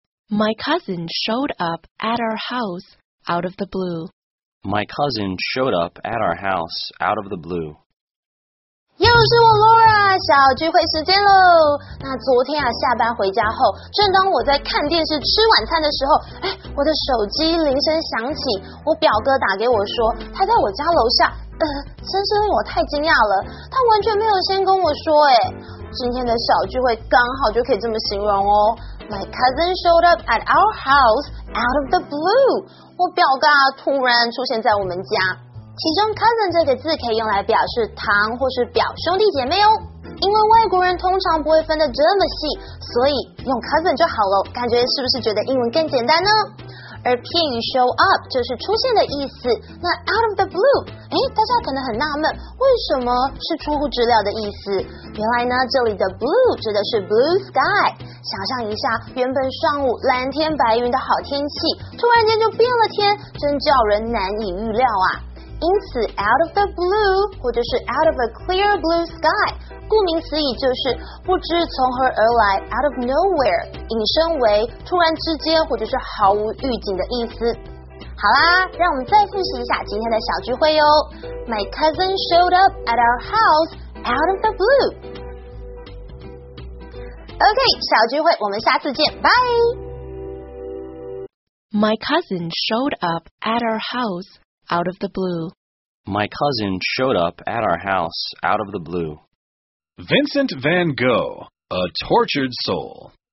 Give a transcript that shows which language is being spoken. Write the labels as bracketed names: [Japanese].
[English] My cousin showed up at our house out of the blue. My cousin showed up at our house out of the blue. [Chinese] 又是我 Laura 小聚会时间咯。那昨天啊，下班回家后，正当我在看电视吃晚餐的时候，我的手机铃声响起，我表哥打给我说他在我家楼下。真是令我太惊讶了，他完全没有先跟我说。今天的小聚会刚好就可以这么形容哦。 My cousin showed up at our house out of the blue. 我表哥啊，突然出现在我们家。其中 cousin 这个字可以用来表示堂或是表兄弟姐妹哦，因为外国人通常不会分得这么细，所以用 cousin 就好了，感觉是不是觉得英文更简单呢？而片语 show up 就是出现的意思，那 out of the blue， 大家可能很纳闷，为什么是出乎意料的意思？原来呢，这里的 blue 指的是 blue sky， 想象一下，原本上午蓝天白云的好天气，突然间就变了天，真叫人难以预料啊。因此 out of the blue 或者是 [English] out of a clear blue sky [Chinese] 顾名思义就是不知从何而来 [English] out of nowhere [Chinese] 引申为突然之间或者是毫无预警的意思。好啦，让我们再复习一下今天的小聚会哦。 [English] My cousin showed up at our house out of the blue。 [Chinese] OK， 小聚会我们下次见，拜。 [English] My cousin showed up at our house out of the blue. My cousin showed up at our house out of the blue. Vincent van Gogh, a tortured soul.